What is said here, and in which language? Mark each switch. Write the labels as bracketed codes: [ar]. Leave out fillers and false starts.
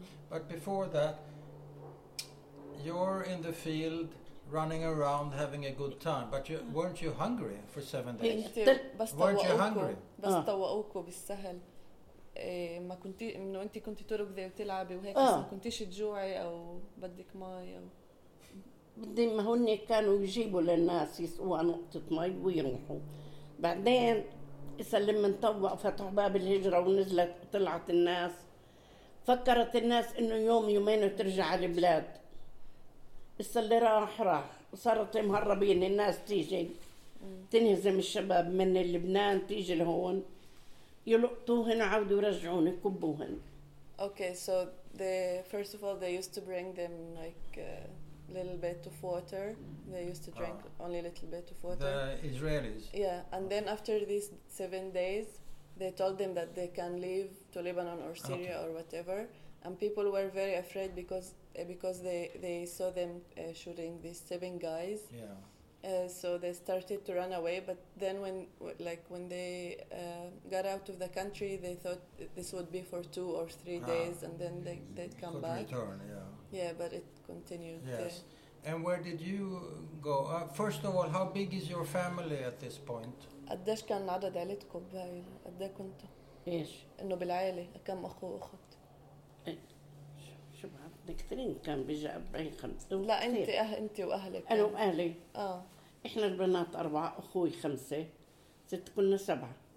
[en] But before that, you're in the field running around having a good time, but you weren't you hungry for 7 days? Weren't you hungry? [ar] بس طوقوكو بالسهل. ما كنت إنه أنتي كنت تروق ذي وتلعبي وهيك ما كنتيش تجوعي أو بدك ماي أو بدي ما هني كانوا يجيبوا للناس يسقوا نقطة ماي ويروحوا بعدين يسلم من طوق فتح باب الهجرة ونزلت طلعت الناس فكرت الناس إنه يوم يومين وترجع على البلاد اللي راح راح وصارت مهربين الناس تيجي تنهزم الشباب من لبنان تيجي لهون يلقطوهن وعودوا ورجعوني كبوهن. [en] Okay, so they first of all they used to bring them like a little bit of water. They used to drink only a little bit of water. The Israelis. Yeah, and then after these 7 days, they told them that they can leave to Lebanon or Syria or whatever. And people were very afraid because they saw them shooting these 7 guys. Yeah. So they started to run away, but then when they got out of the country, they thought this would be for 2 or 3 days, and then they'd come could back. Return, yeah. Yeah, but it continued. Yes. And where did you go? First of all, how big is your family at this point? [ar] قديش كان عدد عيلتكم بهاي قديه كنتوا؟ إيش؟ إنه بالعائلة كم أخو أخت؟ كثيرين كان بيجي أربعين خمسة لا أنت أنت وأهلك أنا وأهلي إحنا البنات 4 أخوي 5 6 كنا 7